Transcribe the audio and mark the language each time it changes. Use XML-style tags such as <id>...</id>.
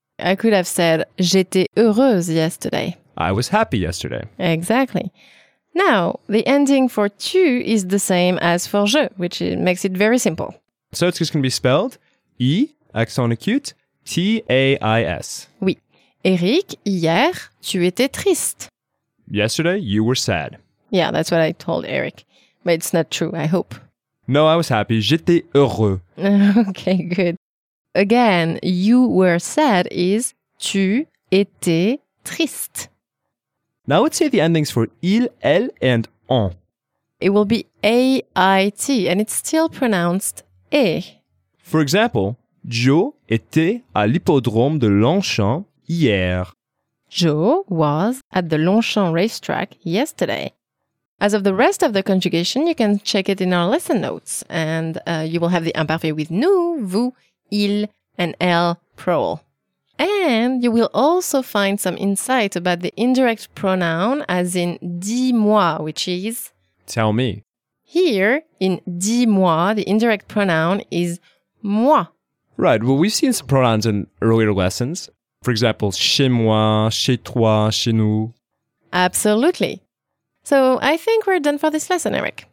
<en>I could have said,</en> <fr>j'étais heureuse</fr> <en>yesterday. I was happy yesterday. Exactly. Now, the ending for tu is the same as for je, which makes it very simple. So it's just going to be spelled I, accent acute, T-A-I-S.</en> <fr>Oui. Eric, hier, tu étais triste.</fr> <en>Yesterday, you were sad. Yeah, that's what I told Eric. But it's not true, I hope. No, I was happy.</en> <fr>J'étais heureux.</fr> <en>Okay, good. Again, you were sad is</en> <fr>tu étais triste.</fr> <en>Now let's say the endings for il, elle, and on. It will be A-I-T, and it's still pronounced E. For example,</en> <fr>Joe était à l'hippodrome de Longchamp hier.</fr> <en>Joe was at the Longchamp racetrack yesterday. As of the rest of the conjugation, you can check it in our lesson notes, and you will have the imparfait with nous, vous, il, and elle plural. And you will also find some insight about the indirect pronoun as in dis-moi, which is... Tell me. Here, in dis-moi, the indirect pronoun is moi. Right. Well, we've seen some pronouns in earlier lessons. For example,</en> <fr>chez moi, chez toi, chez nous.</fr> <en>Absolutely. So I think we're done for this lesson, Eric.</en>